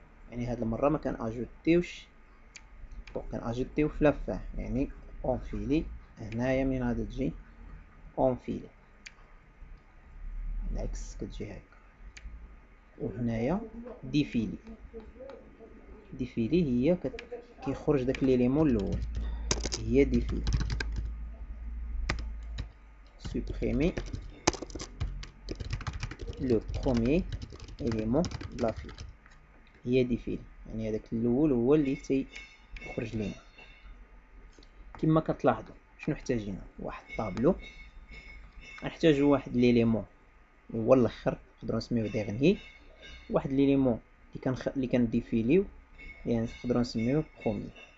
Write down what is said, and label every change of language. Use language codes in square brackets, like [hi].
[ar] يعني هاد المره ما كان اجوتيوش و كان اجوتيو في لافا، يعني اون فيلي هنايا من هاد تجي اون فيلي الاكس كتجي هكا، و هنايا دي فيلي. دي فيلي هي كيخرج داك ليليمون الاول، هي دي فيلي. [fr] supprimer le premier élément de la file. Il y a des files. [ar] يعني هذاك الاول هو اللي تيخرج لينا. كما كتلاحظوا شنو احتاجينا؟ واحد طابلو، نحتاجو واحد ليليمون اللي هو الاخر نقدروا نسميوه ديغني، واحد ليليمون اللي كان اللي كان ديفيليو يعني نقدروا نسميوه برومي،